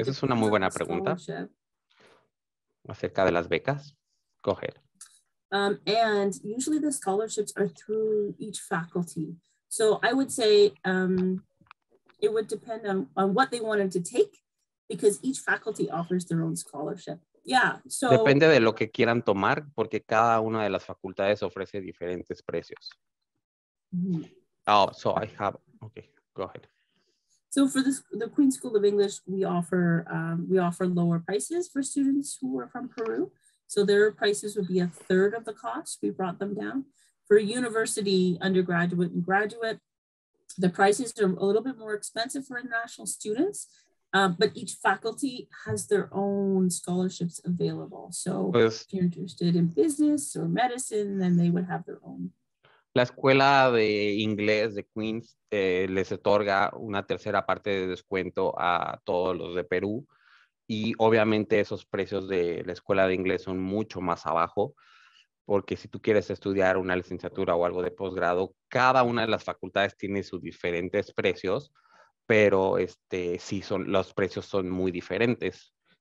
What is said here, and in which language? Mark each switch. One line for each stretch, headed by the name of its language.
Spanish: Esa es una muy buena pregunta. Acerca de las becas.
English: Go ahead. And usually the scholarships are through each faculty. So I would say it would depend on what they wanted to take because each faculty offers their own scholarship. Yeah, so.
Spanish: Depende de lo que quieran tomar porque cada una de las facultades ofrece diferentes precios.
English: Mm-hmm. Okay, go ahead. So for the Queen's School of English, we offer lower prices for students who are from Peru. So their prices would be a third of the cost. We brought them down. For university, undergraduate and graduate, the prices are a little bit more expensive for international students, but each faculty has their own scholarships available. So pues, if you're interested in business or medicine, then they would have their own.
Spanish: La escuela de inglés de Queens les otorga una tercera parte de descuento a todos los de Perú. Y obviamente esos precios de la escuela de inglés son mucho más abajo, porque si tú quieres estudiar una licenciatura o algo de posgrado, cada una de las facultades tiene sus diferentes precios, pero sí son, los precios son muy diferentes.